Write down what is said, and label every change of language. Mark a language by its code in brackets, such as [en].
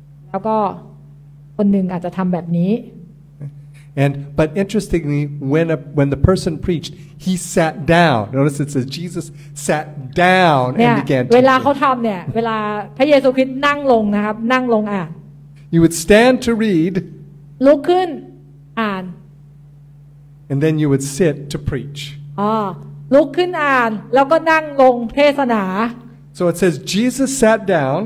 [th] แล้วก็คนหนึ่งอาจจะทำแบบนี้ [en] But interestingly, when the person preached, he sat down. Notice it says Jesus sat down and began to. [th] เวลาเขาทำเนี่ยเวลาพระเยซูคริสต์นั่งลงนะครับนั่งลงอ่ะ [en] You would stand to read. [th] ลุกขึ้นอ่าน [en] And then you would sit to preach. [th] ลุกขึ้นอ่านแล้วก็นั่งลงเทศนา [en] So it says Jesus sat down.